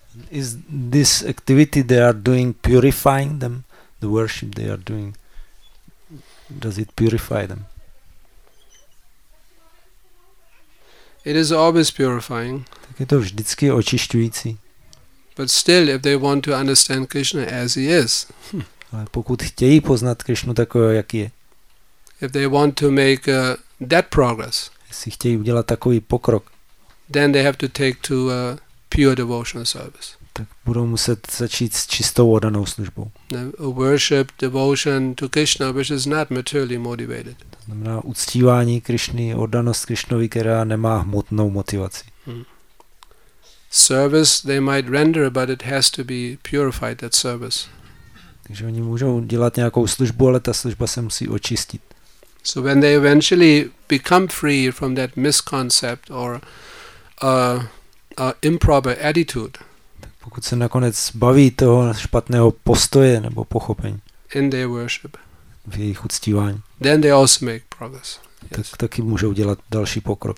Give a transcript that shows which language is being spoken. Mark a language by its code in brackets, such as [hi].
[en] Is this activity they are doing purifying them? The worship they are doing, does it purify them? It is always purifying. [cs] Tak je to vždycky očišťující. [en] But still, if they want to understand Krishna as he is, [cs] ale pokud chtějí poznat Krishnu takového, jaký je, [en] if they want to make that progress, [cs] jestli chtějí udělat takový pokrok, [en] then they have to take to a pure devotional service. [cs] Tak budou muset začít s čistou oddanou službou. [en] Worship, devotion to Krishna, which is not materially motivated. [cs] To znamená uctívání Krišny, oddanost Krišnovi, která nemá hmotnou motivaci. [en] Service they might render, but it has to be purified, that service. [cs] Takže oni můžou dělat nějakou službu, ale ta služba se musí očistit. [en] So when they eventually become free from that misconcept or improper attitude, [cs] pokud se nakonec baví toho špatného postoje nebo pochopení [en] in their worship, [cs] v jejich uctívání, [en] then they also make progress. [cs] Tak yes, taky můžou dělat další pokrok.